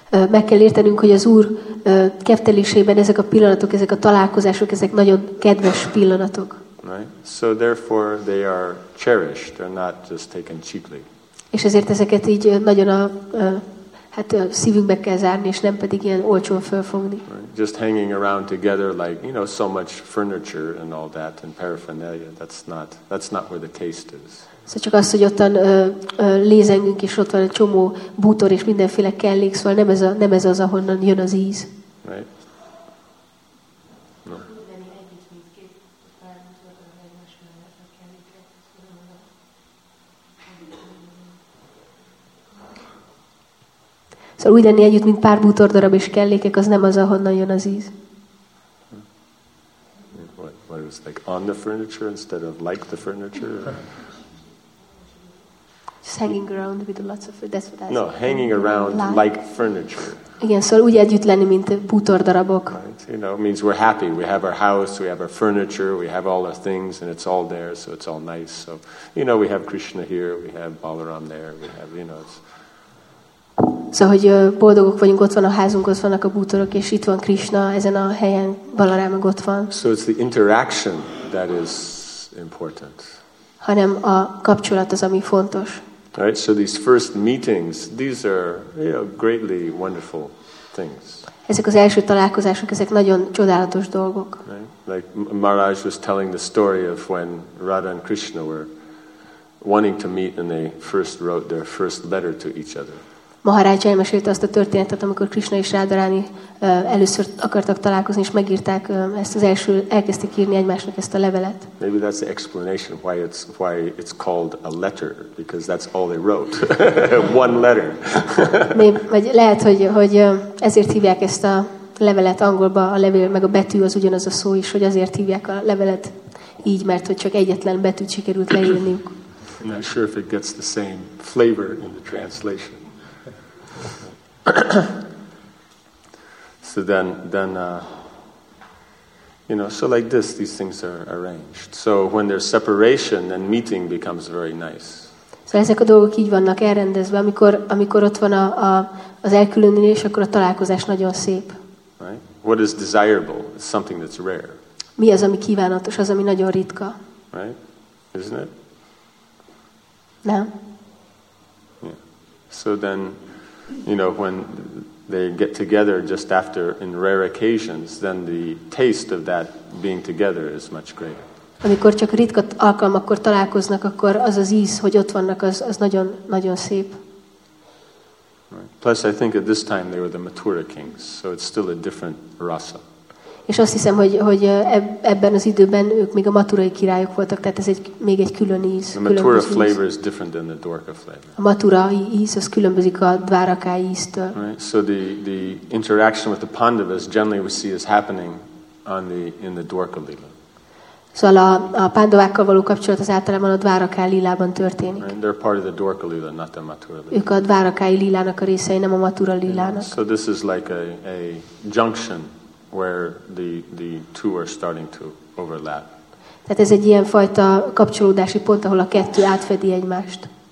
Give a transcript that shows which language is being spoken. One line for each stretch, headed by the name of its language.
Hungarian: Meg kell értenünk, hogy az Úr keftelésében ezek a pillanatok, ezek a találkozások, ezek nagyon kedves pillanatok.
English: Right? So therefore they are cherished, they're not just taken cheaply.
Hungarian: És ezért ezeket így nagyon a szívünkbe kell zárni, és nem pedig ilyen olcsón fölfogni.
English: Right. Just hanging around together like, you know, so much furniture and all that and paraphernalia, that's not where the taste is.
Hungarian: Szóval csak az, hogy ottan lézengünk, és ott van egy csomó bútor és mindenféle kellék, szóval nem ez az, ahonnan jön az íz.
English: Right. No.
Hungarian: Szóval úgy lenni együtt, mint pár bútordarab és kellékek, az nem az, ahonnan jön az íz.
English: What it was like on the furniture instead of like the furniture. Just hanging around with lots of that's what no, hanging around like furniture.
Hungarian: Igen, szóval úgy együtt lenni, mint bútordarabok.
English: Right? You know, it means we're happy. We have our house, we have our furniture, we have all the things, and it's all there, so it's all nice. So, you know, we have Krishna here, we have Balaram there, we have, you know.
Hungarian: Szóval, hogy boldogok vagyunk, ott van a házunk, ott vannak a bútorok, és itt van Krishna, ezen a helyen Balaram meg ott van.
English: So it's the interaction that is important.
Hungarian: Hanem a kapcsolat az, ami fontos.
English: All right, so these first meetings, these are, you know, greatly wonderful things.
Hungarian: Ezek az első találkozások, ezek nagyon csodálatos dolgok.
English: Right? Like Maharaj was telling the story of when Radha and Krishna were wanting to meet and they first wrote their first letter to each other.
Hungarian: Maharaj elmesélte azt a történetet, amikor Krishna és Radharani először akartak találkozni, és megírták ezt az első, elkezdték írni egymásnak ezt a levelet.
English: Maybe that's the explanation why it's called a letter, because that's all they wrote. One letter.
Hungarian: Vagy lehet, hogy ezért hívják ezt a levelet angolba, a levél, meg a betű az ugyanaz a szó is, hogy azért hívják a levelet így, mert hogy csak egyetlen betűt sikerült leírniuk.
English: I'm not sure if it gets the same flavor in the translation. So then, you know, so like this, these things are arranged. So when there's separation, then meeting becomes very nice.
Hungarian: So ezek a dolgok így vannak elrendezve, amikor ott van az elkülönülés, akkor a találkozás nagyon szép.
English: Right? What is desirable? It's something that's rare.
Hungarian: Mi az, ami kívánatos, az, ami nagyon ritka.
English: Right? Isn't it?
Hungarian: Nem.
English: Yeah. So then, you know, when they get together just after in rare occasions, then the taste of that being together is much greater.
Hungarian: Amikor csak ritka alkalmakkor találkoznak, akkor az az íz, hogy ott vannak, az nagyon nagyon szép.
English: Right. Plus I think at this time they were the Mathura kings, so it's still a different rasa.
Hungarian: És azt hiszem, hogy ebben az időben ők még a maturai királyok voltak, tehát ez még egy külön íz.
English: The Mathura flavor is different than the Dwarka flavor.
Hungarian: A maturai íz, az különbözik a Dwarka íztől.
English: Right. So the interaction with the Pandavas generally we see is happening in the Dwarka lila.
Hungarian: Szóval a Pandavákkal való kapcsolat az általában a Dwarka lilában történik.
English: And they're part of the Dwarka lila, not the Mathura lila.
Hungarian: Ők a Dwarka lilának a részei, nem a Mathura lilának.
English: So this is like a junction where the two are starting to overlap.
Hungarian: Tehát ez egy ilyen fajta kapcsolódási pont, ahol a kettő átfedi egymást.